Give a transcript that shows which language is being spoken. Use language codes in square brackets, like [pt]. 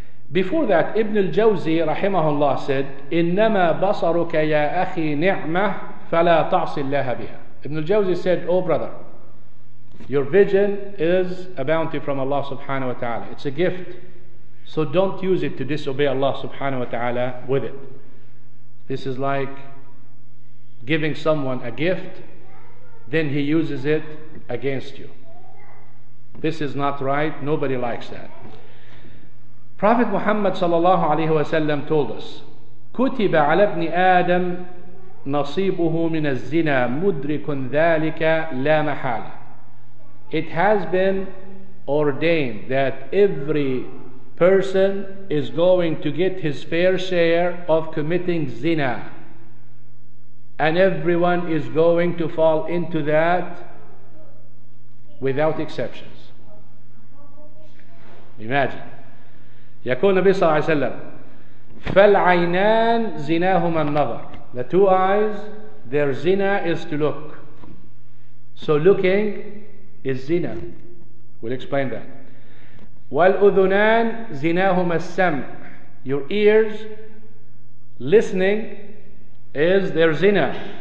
[en] Before that, Ibn al-Jawzi rahimahullah said, [ar] إِنَّمَا بَصَرُكَ يَا أَخِي نِعْمَةٌ فَلَا تَعْصِ اللَّهَ بِهَا. [en] Ibn al-Jawzi said, oh brother, your vision is a bounty from Allah subhanahu wa ta'ala. It's a gift. So don't use it to disobey Allah subhanahu wa ta'ala with it. This is like giving someone a gift, then he uses it against you. This is not right. Nobody likes that. Prophet Muhammad sallallahu alayhi wa sallam told us, [ar] كُتِبَ عَلَى ابْنِ آدَمَ نَصِيبُهُ مِنَ الزِّنَا مُدْرِكٌ ذَلِكَ لَا مَحَالَ. [en] It has been ordained that every person is going to get his fair share of committing zina, and everyone is going to fall into that without exceptions. Imagine. [ar] يكون النبي صلى الله عليه وسلم فالعينان زناهما النظر. [en] The two eyes, their zina is to look. So looking is zina. We'll explain that. [ar] والأذنان زناهما السمع. [en] Your ears, listening is their zina.